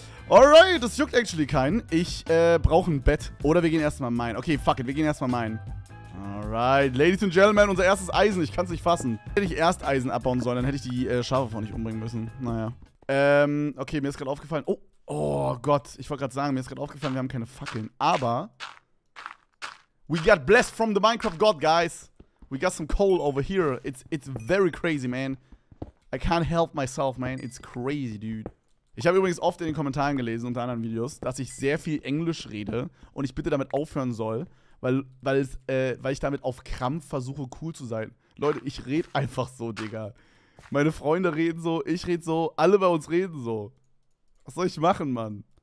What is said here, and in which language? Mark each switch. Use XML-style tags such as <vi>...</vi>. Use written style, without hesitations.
<de>Alright, das juckt actually keinen. Ich brauche ein Bett. Oder wir gehen erstmal mine. Okay, fuck it, wir gehen erstmal mine.</de> <en>Alright, ladies and gentlemen,</en> <de>unser erstes Eisen. Ich kann es nicht fassen. Hätte ich erst Eisen abbauen sollen, dann hätte ich die Schafe vorher nicht umbringen müssen. Naja. Okay, mir ist gerade aufgefallen. Oh Gott. Ich wollte gerade sagen, mir ist gerade aufgefallen, wir haben keine Fackeln. Aber.</de> <en>We got blessed from the Minecraft God, guys. We got some coal over here. It's very crazy, man. I can't help myself, man. It's crazy, dude.</en> <de>Ich habe übrigens oft in den Kommentaren gelesen, unter anderen Videos, dass ich sehr viel Englisch rede und ich bitte damit aufhören soll, weil ich damit auf Krampf versuche, cool zu sein. Leute, ich rede einfach so, Digga. Meine Freunde reden so, ich rede so, alle bei uns reden so. Was soll ich machen, Mann?</de>